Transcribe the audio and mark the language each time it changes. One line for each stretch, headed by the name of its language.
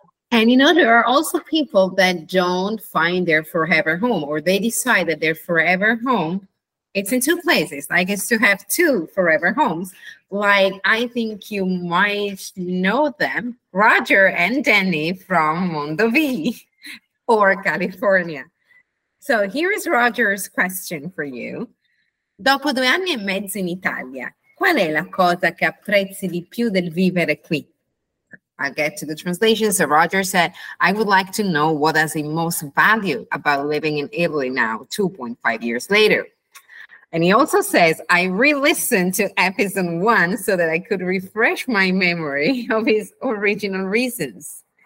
English: And you know, there are also people that don't find their forever home, or they decide that their forever home, it's in two places. Like it's to have two forever homes. Like I think you might know them, Roger and Danny from Mondo V or California. So here is Roger's question for you.
Italian: Dopo 2 anni e mezzo in Italia, qual è la cosa che apprezzi di più del vivere qui?
English: I'll get to the translation. So Roger said, I would like to know what does he most value about living in Italy now, 2.5 years later. And he also says, I re-listened to episode 1 so that I could refresh my memory of his original reasons.